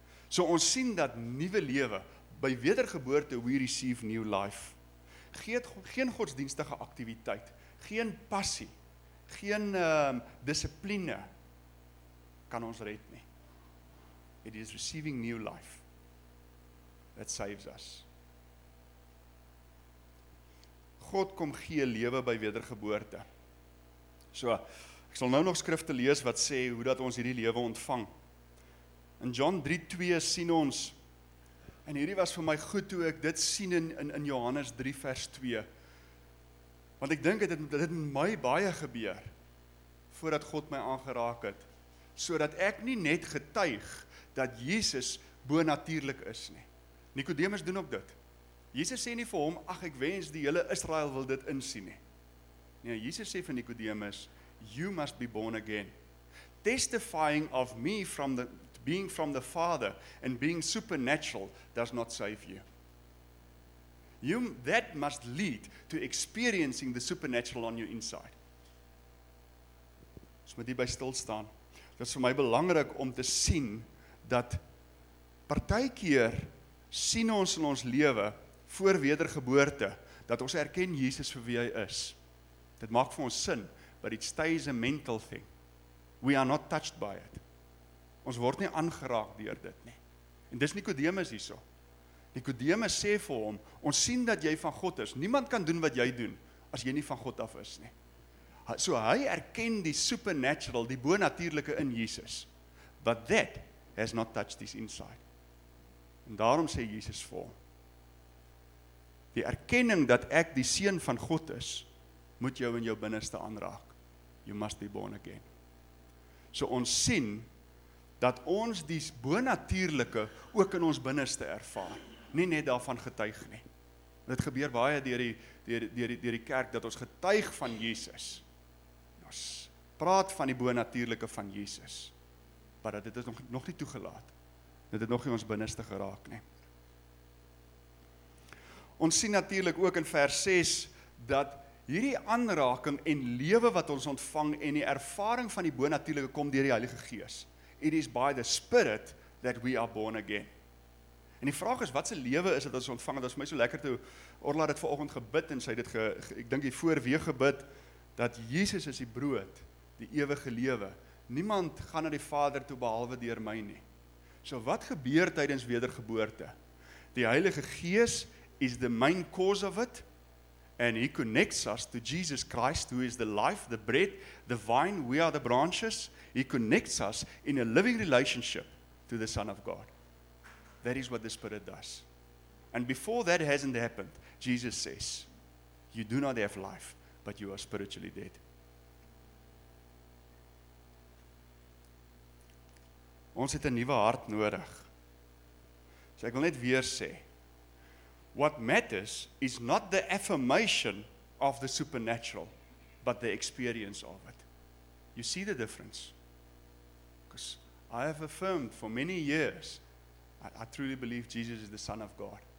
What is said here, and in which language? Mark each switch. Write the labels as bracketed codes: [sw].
[af] So ons sien dat nuwe lewe, by wedergeboorte, [en] we receive new life. [af] Geen godsdienstige aktiwiteit, geen passie, geen dissipline kan ons red nie. [en] It is receiving new life that saves us. [af] God kom gee lewe by wedergeboorte. So, ek sal nou nog skrifte lees wat sê hoe dat ons hierdie lewe ontvang. In John 3:2 sien ons, en hierdie was vir my goed toe ek dit sien in Johannes 3 vers 2, want ek dink dit het in my baie gebeur, voordat God my aangeraak het, so dat ek nie net getuig dat Jesus bonatuurlik is nie. Nikodemus doen ook dit. Jesus sê nie vir hom, ach ek wens die hele Israel wil dit insien nie. Nee, Jesus sê vir Nikodemus, [en] you must be born again. Testifying of me from being from the Father and being supernatural does not save you. That must lead to experiencing the supernatural on your inside. [af] So moet hierby stilstaan. Dit is vir my belangrik om te sien dat partykeer sien ons in ons lewe voor wedergeboorte dat ons erken Jesus vir wie hy is. Dit maak vir ons sin, [en] but it stays a mental thing. We are not touched by it. [af] Ons word nie aangeraak deur dit nie. En dis Nikodemus hierso. Nikodemus sê vir hom, ons sien dat jy van God is. Niemand kan doen wat jy doen as jy nie van God af is nie. So hy erken die supernatural, die bonatuurlike in Jesus. [en] But that has not touched his inside. [af] En daarom sê Jesus vir hom, Die erkenning dat ek die seun van God is, moet jou in jou binneste aanraak. [en] You must be born again. [af] So ons sien dat ons die bonatuurlike ook in ons binneste ervaar. Nie net daarvan getuig nie. Dit gebeur baie deur die kerk dat ons getuig van Jesus. Ons praat van die bonatuurlike van Jesus. Maar dat dit is nog nie toegelaat. Dit het nog nie ons binneste geraak nie. Ons sien natuurlik ook in vers 6 dat hierdie aanraking en lewe wat ons ontvang en die ervaring van die bonatuurlike kom deur die Heilige Gees. [en] It is by the Spirit that we are born again. [af] En die vraag is, wat se lewe is dit wat ons ontvang? Dit is vir my so lekker toe Orla het vanoggend gebid en sy het ek dink hier voorweeg gebid dat Jesus is die brood, die ewige lewe. Niemand gaan na die Vader toe behalwe deur my nie. So wat gebeur tydens wedergeboorte? Die Heilige Gees is [en] the main cause of it and he connects us to Jesus Christ who is the life, the bread, the vine, we are the branches. He connects us in a living relationship to the Son of God. That is what the Spirit does. And before that hasn't happened, Jesus says, you do not have life, but you are spiritually dead. [af] Ons het 'n nuwe hart nodig. So ek wil net weer sê, [en] what matters is not the affirmation of the supernatural, but the experience of it. You see the difference? Because I have affirmed for many years, I truly believe Jesus is the Son of God.